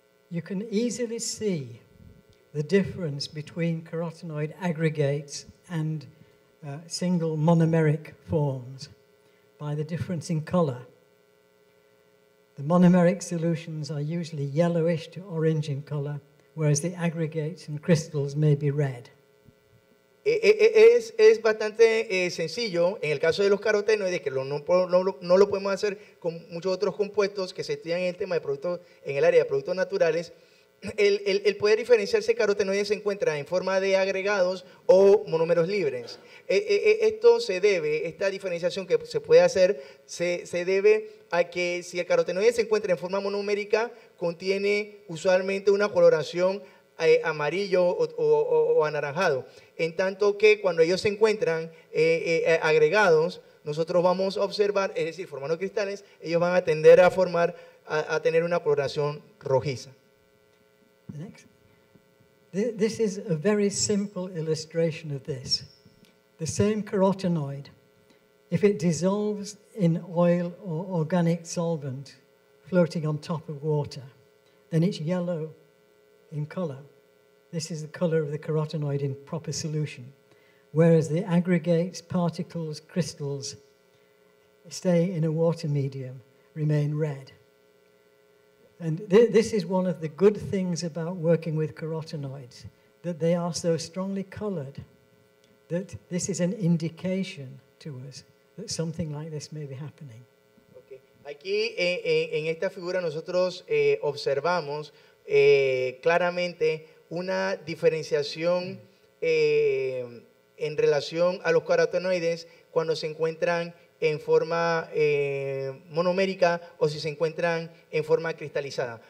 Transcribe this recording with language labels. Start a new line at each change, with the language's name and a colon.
English: You can easily see the difference between carotenoid aggregates and single monomeric forms by the difference in color. The monomeric solutions are usually yellowish to orange in color, whereas the aggregates and crystals may be red.
Spanish: Es bastante sencillo en el caso de los carotenoides, que no lo podemos hacer con muchos otros compuestos que se estudian en el tema de productos en el área de productos naturales. El poder diferenciar si carotenoides se encuentra en forma de agregados o monómeros libres. Esto se debe, esta diferenciación que se puede hacer, se debe a que si el carotenoide se encuentra en forma monomérica, contiene usualmente una coloración amarillo o anaranjado. En tanto que cuando ellos se encuentran agregados, nosotros vamos a observar, es decir, formando cristales, ellos van a tender a formar, a tener una coloración rojiza.
English: The next. This is a very simple illustration of this. The same carotenoid, if it dissolves in oil or organic solvent floating on top of water, then it's yellow in color. This is the color of the carotenoid in proper solution. Whereas the aggregates, particles, crystals stay in a water medium, remain red. And this is one of the good things about working with carotenoids, that they are so strongly colored that this is an indication to us that something like this may be happening. Okay.
Spanish: Aquí en esta figura nosotros observamos claramente una diferenciación en relación a los carotenoides cuando se encuentran en forma monomérica o si se encuentran en forma cristalizada.